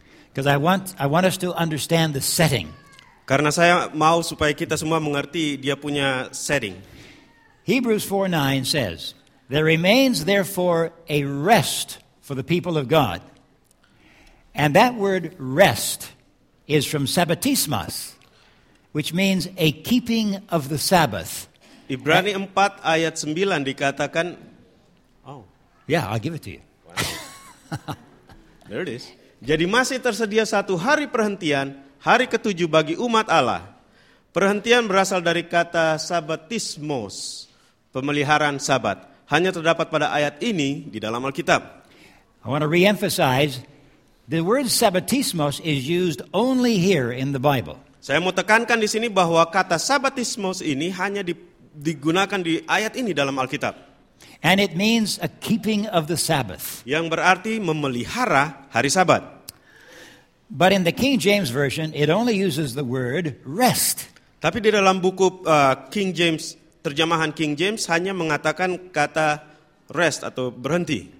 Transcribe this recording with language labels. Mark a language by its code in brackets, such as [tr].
[en] Because I want us to understand the setting. [id] Karena saya mau supaya kita semua mengerti dia punya setting. [en] Hebrews 4:9 says, "There remains therefore a rest for the people of God." And that word rest is from sabbatismos, which means a keeping of the Sabbath. [id] Ibrani 4 ayat 9 dikatakan, [en] oh, yeah, I'll give it to you. There it is. [id] Jadi masih tersedia satu hari perhentian, hari ketujuh bagi umat Allah. Perhentian berasal dari kata sabbatismos, pemeliharaan Sabat. Hanya terdapat pada ayat ini di dalam Alkitab. [en] I want to re-emphasize, the word sabbatismos is used only here in the Bible. [id] Saya mau tekankan di sini bahwa kata sabbatismos ini hanya digunakan di ayat ini dalam Alkitab. [en] And it means a keeping of the Sabbath. [id] Yang berarti memelihara hari Sabat. [en] But in the King James Version, it only uses the word rest. [id] Tapi di dalam buku King James, terjemahan King James hanya mengatakan kata rest atau berhenti.